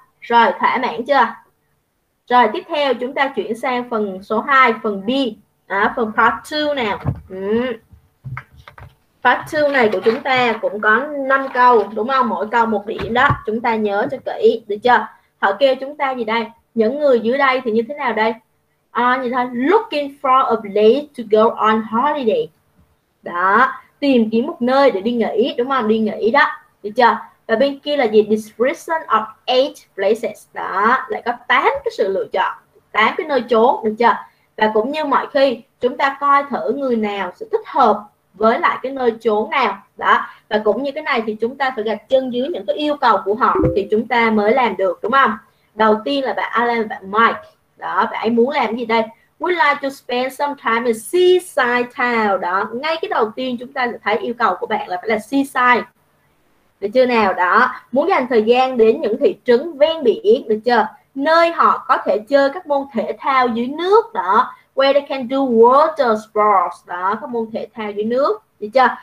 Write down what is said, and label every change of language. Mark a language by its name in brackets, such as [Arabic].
[Vietnamese] Rồi thỏa mãn chưa? Rồi tiếp theo chúng ta chuyển sang phần số 2, phần B, phần part 2 nào. Part 2 này của chúng ta cũng có 5 câu, đúng không? Mỗi câu một điểm đó, chúng ta nhớ cho kỹ, được chưa? Họ kêu chúng ta gì đây? Những người dưới đây thì như thế nào đây? Như thế, [English] looking for a place to go on holiday. [Vietnamese] Đó, tìm kiếm một nơi để đi nghỉ, đúng không? Đi nghỉ đó, được chưa? Và bên kia là gì? [English] Description of 8 places. [Vietnamese] Đó, lại có 8 cái sự lựa chọn, 8 cái nơi chốn, được chưa? Và cũng như mọi khi, chúng ta coi thử người nào sẽ thích hợp với lại cái nơi chốn nào đó. Và cũng như cái này thì chúng ta phải gạch chân dưới những cái yêu cầu của họ thì chúng ta mới làm được, đúng không? Đầu tiên là bạn Alan, bạn Mike, đó, bạn ấy muốn làm gì đây? [English] Would like to spend some time in seaside town. [Vietnamese] Đó, ngay cái đầu tiên chúng ta sẽ thấy yêu cầu của bạn là phải là seaside, được chưa nào? Đó, muốn dành thời gian đến những thị trấn ven biển, được chưa? Nơi họ có thể chơi các môn thể thao dưới nước, đó, [English] where they can do water sports, [Vietnamese] đó, các môn thể thao dưới nước, được chưa?